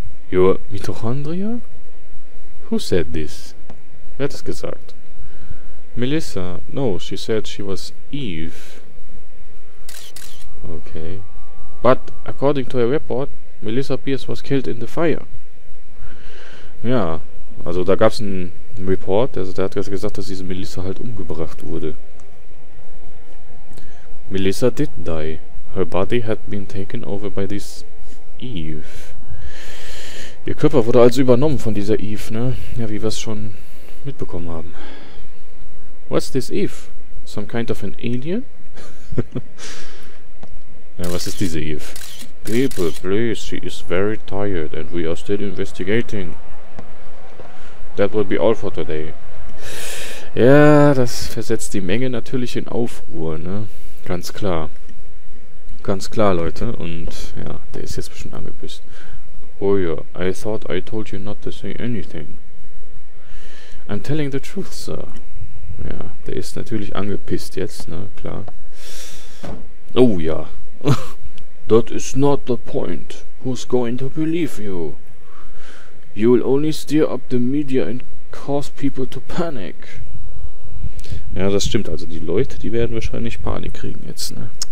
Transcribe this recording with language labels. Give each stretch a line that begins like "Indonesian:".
English: Your mitochondria? Who said this?
German: Wer hat es gesagt?
English: Melissa. No, she said she was Eve. Okay. But according to a report, Melissa Pierce was killed in the fire.
German: Ja, also da gab's ein Report, also der hat gesagt, dass diese Melissa halt umgebracht wurde.
English: Melissa did die. Her body had been taken over by this Eve.
German: Ihr Körper wurde also übernommen von dieser Eve, ne? Ja, wie wir es schon mitbekommen haben.
English: What's this Eve? Some kind of an alien?
German: Ja, was ist diese Eve?
English: People, please, she is very tired and we are still investigating. That would be all for today.
German: Ja, das versetzt die Menge natürlich in Aufruhr, ne? Ganz klar. Ganz klar, Leute. Und ja, der ist jetzt bestimmt angepisst.
English: Oh yeah, I thought I told you not to say anything. I'm telling the truth, sir.
German: Ja, der ist natürlich angepisst jetzt, ne? Klar.
English: Oh ja. That is not the point. Who's going to believe you? You will only stir up the media and cause people to panic.
German: Ja, das stimmt. Also die Leute, die werden wahrscheinlich Panik kriegen jetzt, ne?